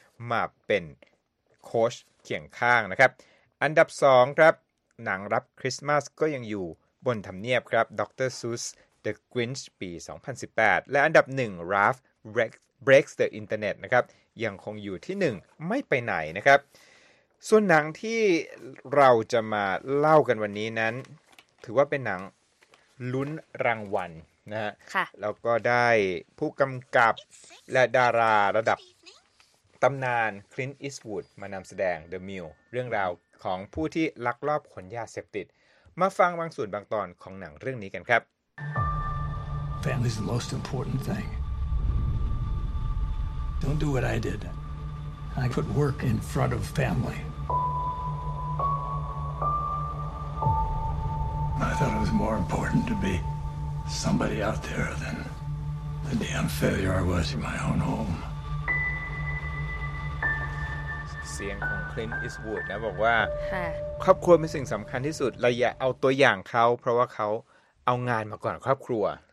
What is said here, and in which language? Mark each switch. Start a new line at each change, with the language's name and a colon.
Thai: มาเป็นโค้ชเคียงข้างนะครับอันดับ2ครับหนังรับคริสต์มาสก็ยังอยู่บนทำเนียบครับด็อกเตอร์ซูสเดอะกรินช์ปี2018และอันดับ1 Ralph Breaks the Internet นะครับยังคงอยู่ที่1ไม่ไปไหนนะครับส่วนหนังที่เราจะมาเล่ากันวันนี้นั้นถือว่าเป็นหนังลุ้นรางวัลนะ ฮะ แล้วก็ได้ผู้กำกับและดาราระดับตำนานคลินต์อีสต์วูดมานำแสดง The Mule เรื่องราวของผู้ที่ลักลอบขนยาเสพติดมาฟังบางส่วนบางตอนของหนังเรื่องนี้กันครับ
English: Family is the most important thing Don't do what I did I put work in front of family I thought it was more important to beSomebody out there than the damn failure I was in my own home.
Thai: เสียงของ Clint Eastwood นะบอกว่าครอบครัวเป็นสิ่งสำคัญที่สุดเราอย่าเอาตัวอย่างเขาเพราะว่าเขาเอางานมาก่อนครอบครัว